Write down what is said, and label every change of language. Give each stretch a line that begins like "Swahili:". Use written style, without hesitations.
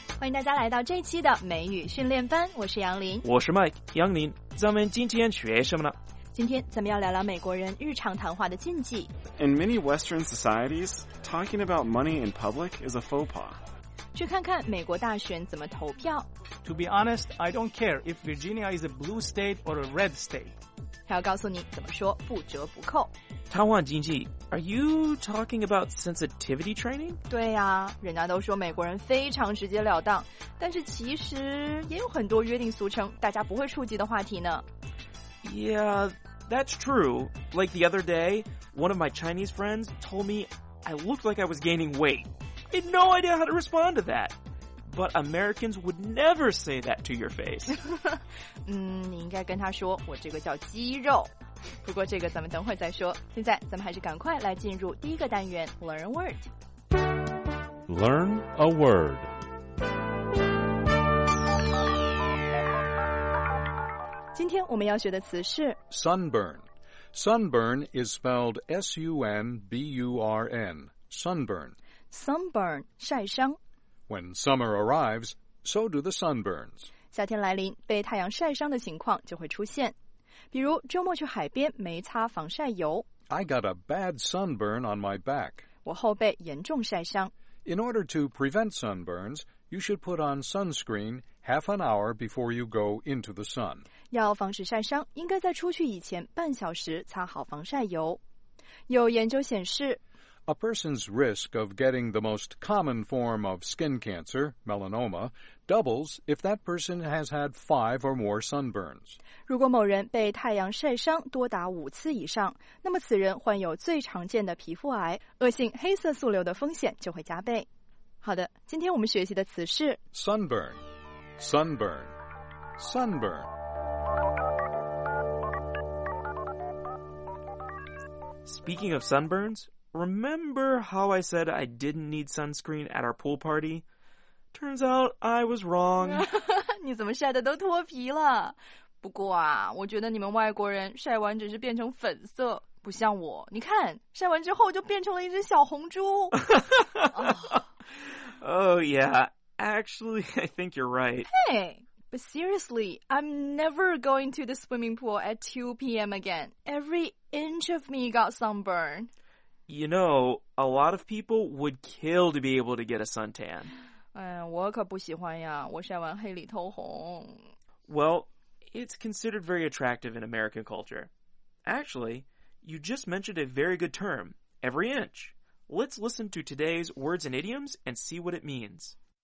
Chinese: 大家来到这期的美语训练班，我是杨林，我是 Mike 杨林，咱们今天学什么呢？今天咱们要聊聊美国人日常谈话的禁忌。
English: In many Western societies, talking about money in public is a faux pas.
Chinese: 去看看美国大选怎么投票。
English: To be honest, I don't care if Virginia is a blue state or a red state.
Chinese: 还要告诉你怎么说不折不扣。谈话禁忌
English: ，Are you talking about sensitivity training？
Chinese: 对呀、啊，人家都说美国人非常直截了当，但是其实也有很多约定俗成，大家不会触及的话题呢。
English: Yeah, that's true. Like the other day, one of my Chinese friends told me I looked like I was gaining weight. I had no idea how to respond to that. But Americans would never say that to your face.
Chinese: 你应该跟他说，我这个叫肌肉。不过这个咱们等会再说，现在咱们还是赶快来进入第一个单元
English: Learn Word。 Learn a Word。
Chinese: 今天我们要学的词是
English: Sunburn。 Sunburn is spelled S-U-N-B-U-R-N, Sunburn.
Chinese: Sunburn, 晒伤。
English: When summer arrives, so do the sunburns.
Chinese: 夏天来临，被太阳晒伤的情况就会出现，比如周末去海边没擦防晒油。
English: I got a bad sunburn on my back.
Chinese: 我后背严重晒伤。
English: In order to prevent sunburns, you should put on sunscreen half an hour before you go into the sun.
Chinese: 要防止晒伤，应该在出去以前半小时擦好防晒油。有研究显示，
English: A person's risk of getting the most common form of skin cancer, melanoma,doubles if that person has had five or more sunburns.
Chinese: 如果某人被太阳晒伤多达五次以上，那么此人患有最常见的皮肤癌，恶性黑色素瘤的风险就会加倍。好的，今天我们学习的词是
English: sunburn, sunburn, sunburn. Speaking of sunburns, remember how I said I didn't need sunscreen at our pool party? Turns out I was wrong.
Chinese: 你怎么晒得都脱皮了？不过啊，我觉得你们外国人晒完只是变成粉色，不像我。你看，晒完之后就变成了一只小红猪。
English: Oh. Oh yeah, actually, I think you're right. Hey, but seriously, I'm never going to the swimming pool at 2 p.m. again. Every inch of me got sunburn. You know, a lot of people would kill to be able to get a suntan.
Chinese: 我可不喜欢呀，我晒完黑里透红。
English: Well, it's considered very attractive in American culture. Actually, you just mentioned a very good term, every inch. Let's listen to today's words and idioms and see what it means.